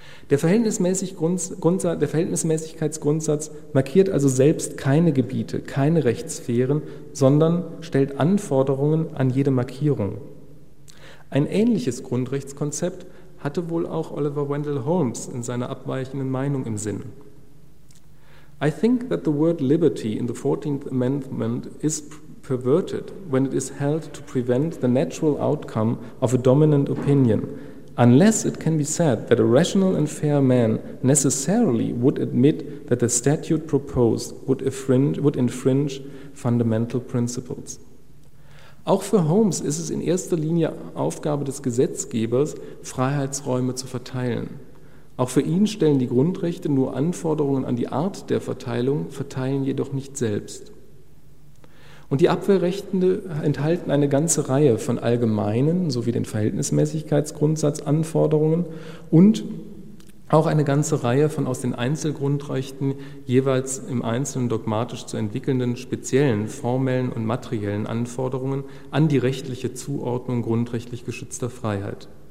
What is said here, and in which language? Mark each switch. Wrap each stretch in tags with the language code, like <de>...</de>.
<de>Der Verhältnismäßigkeitsgrundsatz markiert also selbst keine Gebiete, keine Rechtssphären, sondern stellt Anforderungen an jede Markierung. Ein ähnliches Grundrechtskonzept hatte wohl auch Oliver Wendell Holmes in seiner abweichenden Meinung im Sinn.</de> <en>I think that the word liberty in the 14th Amendment is perverted when it is held to prevent the natural outcome of a dominant opinion, unless it can be said that a rational and fair man necessarily would admit that the statute proposed would infringe fundamental principles.</en> <de>Auch für Holmes ist es in erster Linie Aufgabe des Gesetzgebers, Freiheitsräume zu verteilen. Auch für ihn stellen die Grundrechte nur Anforderungen an die Art der Verteilung, verteilen jedoch nicht selbst. Und die Abwehrrechte enthalten eine ganze Reihe von allgemeinen sowie den Verhältnismäßigkeitsgrundsatz Anforderungen und auch eine ganze Reihe von aus den Einzelgrundrechten jeweils im Einzelnen dogmatisch zu entwickelnden speziellen formellen und materiellen Anforderungen an die rechtliche Zuordnung grundrechtlich geschützter Freiheit.</de>